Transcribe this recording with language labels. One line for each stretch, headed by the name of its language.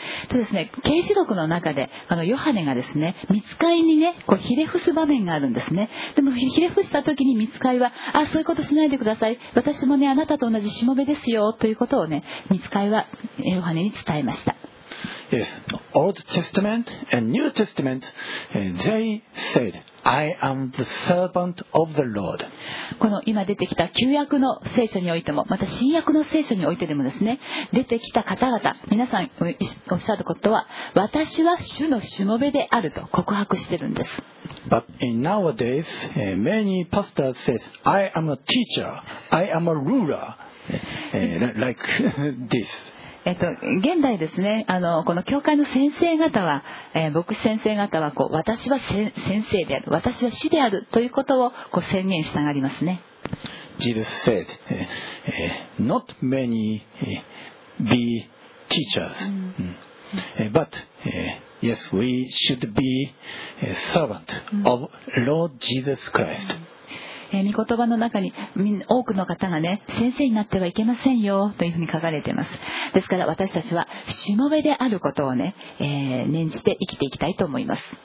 Japanese: とですね、啓示録の中でヨハネがですね、御使いにね、こうひれ伏す場面があるんですね。でもひれ伏した時に御使いは、あ、そういうことしないでください、私もね、あなたと同じしもべですよということをね、御使いはヨハネに伝えました。
English: Yes, Old Testament and New Testament, they said, I am the servant of the Lord.
Japanese: この今出てきた旧約の聖書においても、また新約の聖書においてでもですね、出てきた方々、皆さんおっしゃることは、私は主のしもべであると告白してるんです。
English: But nowadays, many pastors say, I am a teacher, I am a ruler, like this.
Japanese: 現代ですね、この教会の先生方は、牧師先生方はこう私は先生である、私は師であるということをこう宣言したがりますね。
English: Jesus said not many be teachers but yes we should be servant of Lord Jesus Christ.
Japanese: 御言葉の中に多くの方がね、先生になってはいけませんよというふうに書かれています。ですから私たちはしもべであることをね、念じて生きていきたいと思います。